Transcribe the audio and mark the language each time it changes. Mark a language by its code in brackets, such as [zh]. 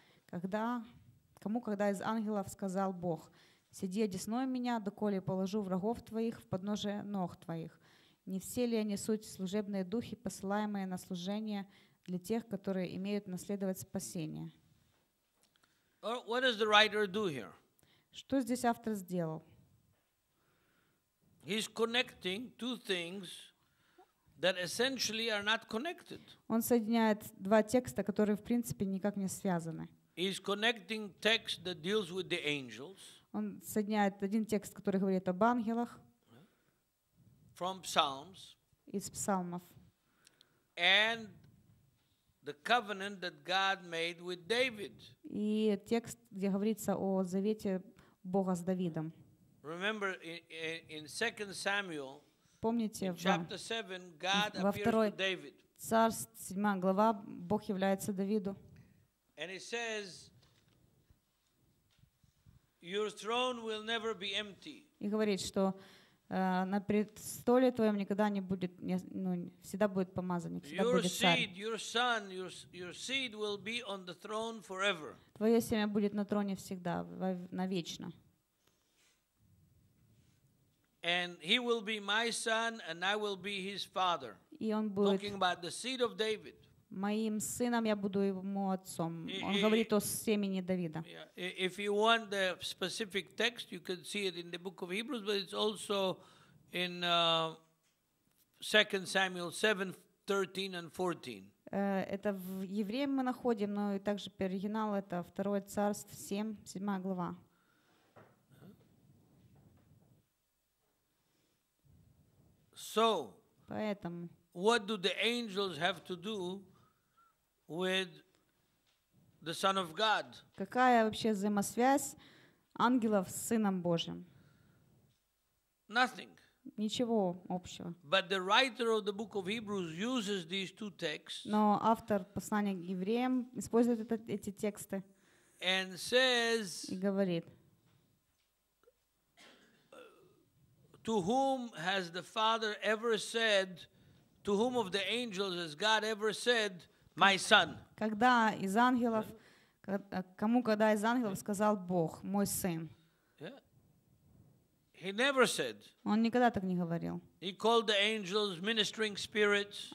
[ru] Когда, кому когда из ангелов сказал Бог: «Сиди одесной меня, доколе положу врагов твоих в подножие ног твоих». Не все ли они суть служебные духи, посылаемые на служение для тех, которые имеют наследовать спасение? [en] What does the writer do here? [ru] Что здесь автор сделал? [en] He's connecting two things that essentially are not connected. [ru] Он соединяет два текста, которые в принципе никак не связаны. [en] He's connecting text that deals with the angels. [ru] Он соединяет один текст, который говорит об ангелах. [en] From Psalms. [ru] Из псалмов. [en] And the covenant that God made with David. [ru] И текст, где говорится о завете Бога с Давидом. [en] Remember in 2 Samuel. [ru] Помните, [en] in chapter 7 God appears to David. [ru] Царств 7 глава Бог является Давиду. [en] And it says your throne will never be empty. [ru] И говорит, что на престоле твоем никогда не будет, ну, всегда будет помазанник, всегда [en] your [ru] будет царь. [en] Seed, your son, your seed will be on the throne forever. [ru] Твое семя будет на троне всегда, навечно. [en] And he will be my son and I will be his father. [ru] И он будет [en] talking about the seed of David. [ru] Моим сыном я буду ему отцом. Он говорит о семени Давида. [en] If you want the specific text, you can see it in the book of Hebrews, but it's also in 2 Samuel 7, 13 and 14. [ru] Это в Евреям мы находим, но и также по оригиналу это 2 Царств 7, 7 глава. [en] So, [ru] поэтому [en] what do the angels have to do with the Son of God? [ru] Какая вообще взаимосвязь ангелов с Сыном Божьим? [en] Nothing. [ru] Ничего общего. [en] But the writer of the book of Hebrews uses these two texts. [ru] Но автор послания к евреям использует эти тексты. [en] And says. [ru] И говорит. [en] To whom has the Father ever said? To whom of the angels has God ever said? My son. [ru] Когда из ангелов, кому когда из ангелов сказал Бог, мой сын? [en] He never said. [ru] Он никогда так не говорил. [en] He called the angels ministering spirits.